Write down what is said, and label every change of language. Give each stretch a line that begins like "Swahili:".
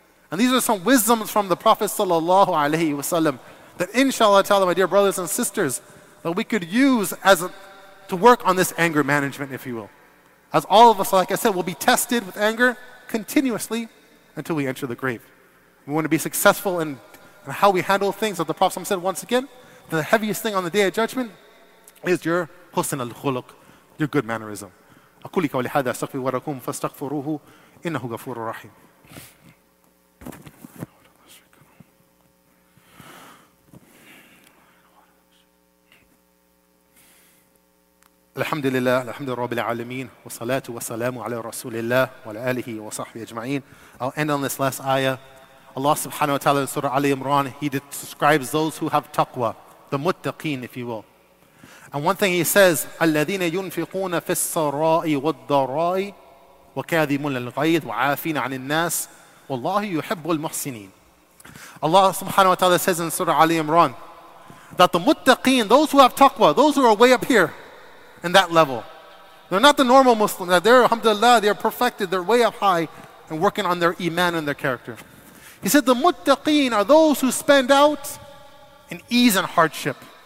English: And these are some wisdoms from the Prophet ﷺ that inshallah ta'ala, my dear brothers and sisters, that we could use to work on this anger management, if you will. As all of us, like I said, will be tested with anger continuously until we enter the grave. We want to be successful in how we handle things. As the Prophet said once again, the heaviest thing on the Day of Judgment is your husn al-khuluq, your good mannerism.
Arabic: أقول قولي هذا استغفر وراكم فاستغفروه إنه غفور رحيم. الحمد لله الحمد لله رب العالمين والصلاة والسلام على رسول الله وعلى آله وصحبه أجمعين.
English: I'll end on this last ayah. Allah subhanahu wa ta'ala in Surah Ali Imran, he describes those who have taqwa, the muttaqeen, if you will. And one thing he says,
Arabic: الَّذِينَ يُنْفِقُونَ فِي السَّرَّاءِ وَالضَّرَّاءِ وَكَاذِمُونَ الْغَيْضِ وَعَافِينَ عَنِ النَّاسِ وَاللَّهُ يُحِبُّ الْمُحْسِنِينَ.
English: Allah subhanahu wa ta'ala says in Surah Ali Imran that the muttaqeen, those who have taqwa, those who are way up here in that level, they're not the normal Muslim. They're, alhamdulillah, they're perfected, they're way up high and working on their iman and their character. He said the muttaqeen are those who spend out in ease and hardship.